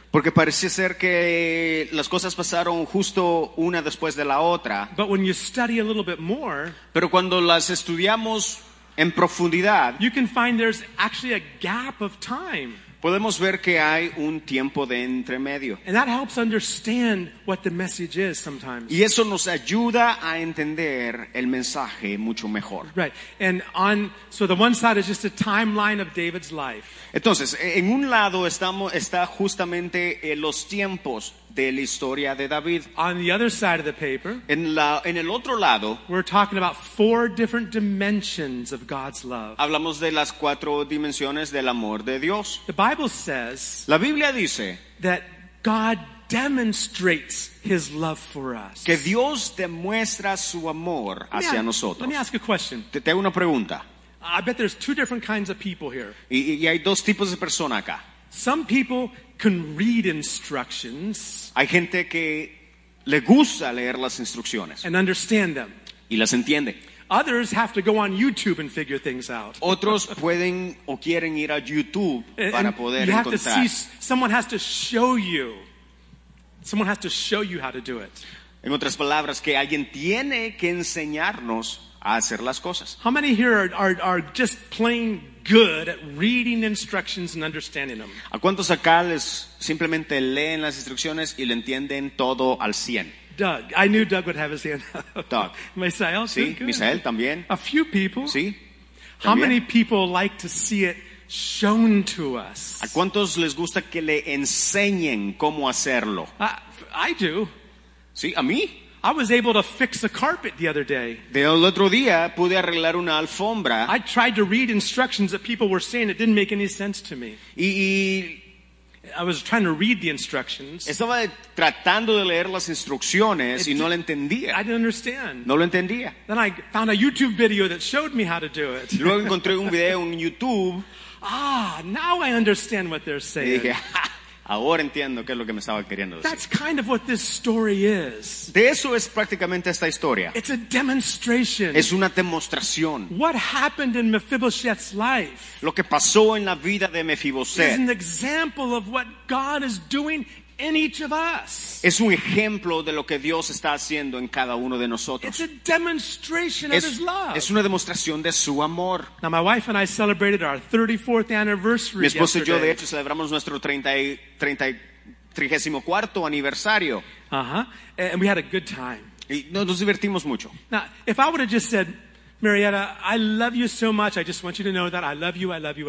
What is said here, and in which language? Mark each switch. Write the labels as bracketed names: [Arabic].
[Spanish] Porque parece ser que las cosas pasaron justo una después de la otra. [English] But when you study a little bit more, [Spanish] pero cuando las estudiamos en profundidad, [English] you can find there's actually a gap of time. [Spanish] Podemos ver que hay un tiempo de entremedio. [English] And that helps understand what the message is sometimes. [Spanish] Y eso nos ayuda a entender el mensaje mucho mejor. [English] Right. And so the one side is just a timeline of David's life. [Spanish] Entonces, en un lado está justamente los tiempos de la historia de David. [English] On the other side of the paper, [Spanish] en el otro lado, [English] we're talking about four different dimensions of God's love. [Spanish] Hablamos de las cuatro dimensiones del amor de Dios. [English] The Bible says, [Spanish] la Biblia dice, [English] that God demonstrates his love for us. [Spanish] Que Dios demuestra su amor hacia nosotros. [English] Let me ask a question. [Spanish] Te hago una pregunta. [English] I bet there's two different kinds of people here. [Spanish] Y hay dos tipos de personas acá. [English] Some people can read instructions. [Spanish] Hay gente que le gusta leer las instrucciones. [English] And understand them. [Spanish] Y las entiende. [English] Others have to go on YouTube and figure things out. [Spanish] Otros pueden o quieren ir a YouTube para poder encontrar. [English] You have to see, someone has to show you how to do it. [Spanish] En otras palabras, que alguien tiene que enseñarnos a hacer las cosas. [English] How many here are just plain good at reading instructions and understanding them? [Spanish] ¿A cuántos acá les simplemente leen las instrucciones y lo entienden todo al 100? [English] Doug, I knew Doug would have his hand up. Doug. Misael, [Spanish] sí, [English] good. [Spanish] Misael también. [English] A few people. [Spanish] Sí. También. [English] How many people like to see it shown to us? [Spanish] ¿A cuántos les gusta que le enseñen cómo hacerlo? [English] I do. [Spanish] Sí, a mí. [English] I was able to fix a carpet the other day. [Spanish] Del otro día pude arreglar una alfombra. [English] I tried to read instructions that people were saying. It didn't make any sense to me. [Spanish] Y [English] I was trying to read the instructions. [Spanish] Estaba tratando de leer las instrucciones y no lo entendía. [English] I didn't understand. [Spanish] No lo entendía. [English] Then I found a YouTube video that showed me how to do it. [Spanish] Luego encontré un video en YouTube. [English] Ah, now I understand what they're saying. [Spanish] Ahora entiendo qué es lo que me estaba queriendo decir. [English] That's kind of what this story is. [Spanish] De eso es prácticamente esta historia. [English] It's a demonstration. [Spanish] Es una demostración. [English] What happened in Mephibosheth's life? [Spanish] Lo que pasó en la vida de Mephibosheth. [English] Is an example of what God is doing in each of us. [Spanish] Es un ejemplo de lo que Dios está haciendo en cada uno de nosotros. [English] It's a demonstration of his love. [Spanish] Es una demostración de su amor. [English] Now my wife and I celebrated our 34th anniversary. [Spanish] Mi esposa [English] yesterday. [Spanish] Y yo de hecho celebramos nuestro 34th aniversario. [English] Uh-huh. And we had a good time. [Spanish] Y nos divertimos mucho. [English] Now, if I would have just said, Marietta, I love you so much. I just want you to know that I love you. I love you.